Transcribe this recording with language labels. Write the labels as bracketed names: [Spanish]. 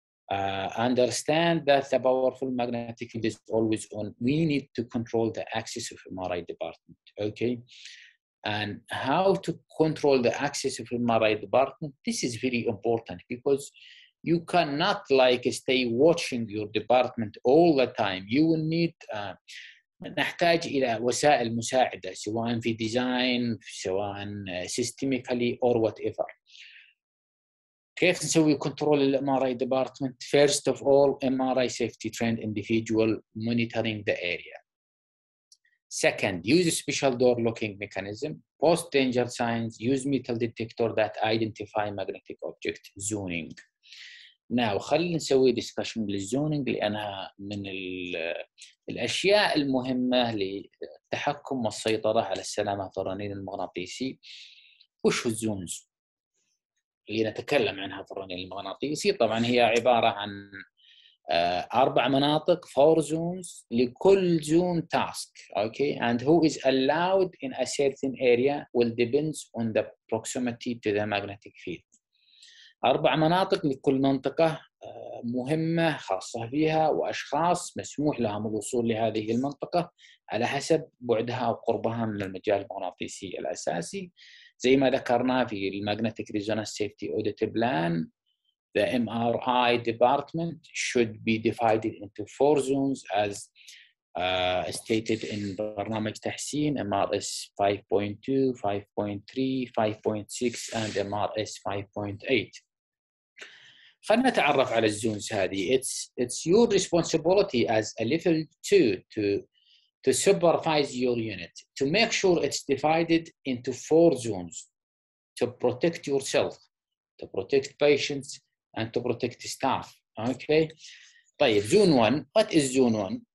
[English] Understand that the powerful magnetic field is always on. We need to control the access of MRI department, okay? And how to control the access of MRI department? This is very important because you cannot like stay watching your department all the time. You will need [Arabic] نحتاج إلى وسائل مساعدة سواء في ديزاين سواء سيستيميكالي [English] or whatever. [Arabic] كيف نسوي كنترول الـ MRI department? [English] First of all, MRI safety trained individual monitoring the area. Second, use a special door locking mechanism. Post danger signs, use metal detector that identify magnetic object zoning. [Arabic] Now, خلينا نسوي discussion للزونينج لأنها من الأشياء المهمة للتحكم والسيطرة على السلامة الرنين المغناطيسي. وش هو الزونز اللي نتكلم عنها في الرنين المغناطيسي؟ طبعا هي عبارة عن أربع مناطق [English] four zones [Arabic] لكل zone task. [English] Okay, and who is allowed in a certain area will depends on the proximity to the magnetic field. [Arabic] أربع مناطق لكل منطقة مهمة خاصة فيها وأشخاص مسموح لهم الوصول لهذه المنطقة على حسب بعدها وقربها من المجال المغناطيسي الأساسي زي ما ذكرنا في الماجنتيك ريزونانس سيفتي أوديت بلان. [English] The MRI department should be divided into four zones as stated in [Arabic] برنامج تحسين [English] MRS 5.2, 5.3, 5.6 and MRS 5.8. [Arabic] خلنا نتعرف على الزونز هذه. [English] It's your responsibility as a level 2 to supervise your unit to make sure it's divided into four zones to protect yourself, to protect patients and to protect staff. Okay. [Arabic] طيب, [English] zone 1. What is zone 1?